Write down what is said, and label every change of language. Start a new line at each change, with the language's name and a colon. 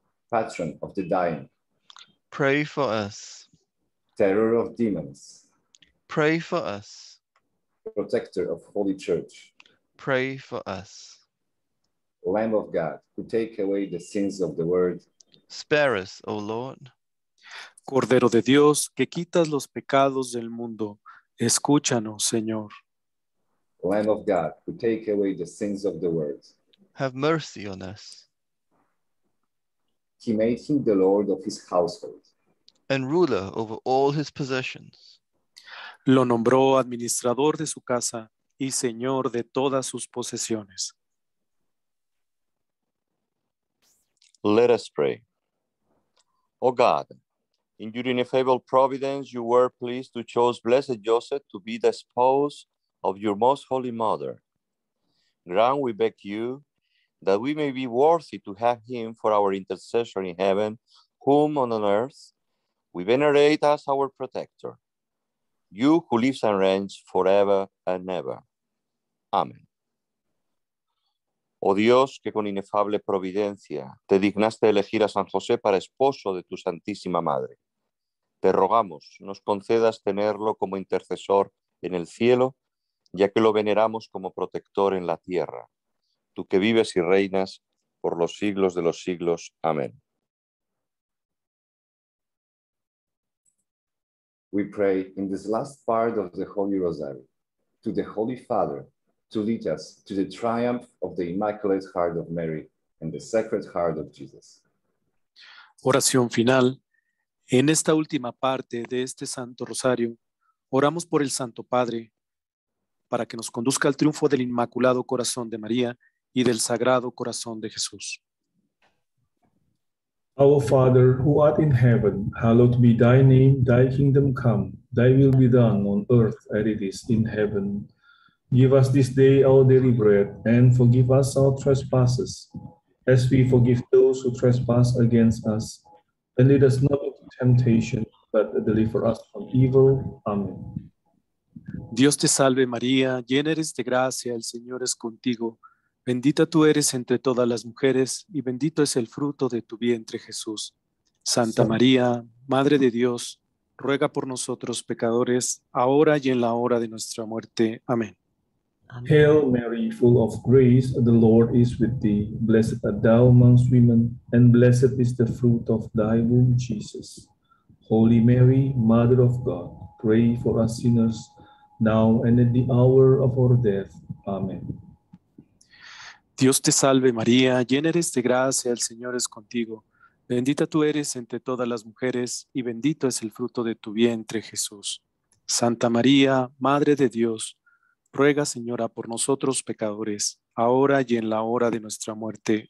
English: Patron of the dying, pray for us. Terror of demons, pray for us. Protector of Holy Church, pray for us. Lamb of God, who take away the sins of the world, spare us, O Lord.
Spanish: Cordero de Dios, que quitas los pecados del mundo, escúchanos, Señor.
English: Lamb of God, who take away the sins of the world, have mercy on us. He made him the Lord of his household and ruler over all his possessions.
Spanish: Lo nombró administrador de su casa y señor de todas sus posesiones.
English: Let us pray. O God, in your ineffable providence, you were pleased to choose Blessed Joseph to be the spouse of your most holy mother. Grant, we beg you, that we may be worthy to have him for our intercessor in heaven, whom on earth we venerate as our protector, you who lives and reigns forever and ever. Amen.
Spanish: Oh Dios, que con inefable providencia te dignaste elegir a San José para esposo de tu Santísima Madre, te rogamos, nos concedas tenerlo como intercesor en el cielo, ya que lo veneramos como protector en la tierra. Tú que vives y reinas por los siglos de los siglos. Amén.
English: We pray in this last part of the Holy Rosary to the Holy Father to lead us to the triumph of the Immaculate Heart of Mary and the Sacred Heart of Jesus.
Spanish: Oración final. En esta última parte de este Santo Rosario, oramos por el Santo Padre para que nos conduzca al triunfo del Inmaculado Corazón de María y del Sagrado Corazón de Jesús.
English: Our Father, who art in heaven, hallowed be thy name, thy kingdom come. Thy will be done on earth as it is in heaven. Give us this day our daily bread, and forgive us our trespasses, as we forgive those who trespass against us. And lead us not into temptation, but deliver us from evil. Amen.
Spanish: Dios te salve, María, llena eres de gracia, el Señor es contigo. Bendita tú eres entre todas las mujeres, y bendito es el fruto de tu vientre, Jesús. Santa María, Madre de Dios, ruega por nosotros, pecadores, ahora y en la hora de nuestra muerte. Amén.
English: Hail Mary, full of grace, the Lord is with thee. Blessed art thou amongst women, and blessed is the fruit of thy womb, Jesus. Holy Mary, Mother of God, pray for us sinners, now and at the hour of our death. Amen.
Spanish: Dios te salve, María, llena eres de gracia, el Señor es contigo. Bendita tú eres entre todas las mujeres, y bendito es el fruto de tu vientre, Jesús. Santa María, Madre de Dios, ruega, Señora, por nosotros, pecadores, ahora y en la hora de nuestra muerte.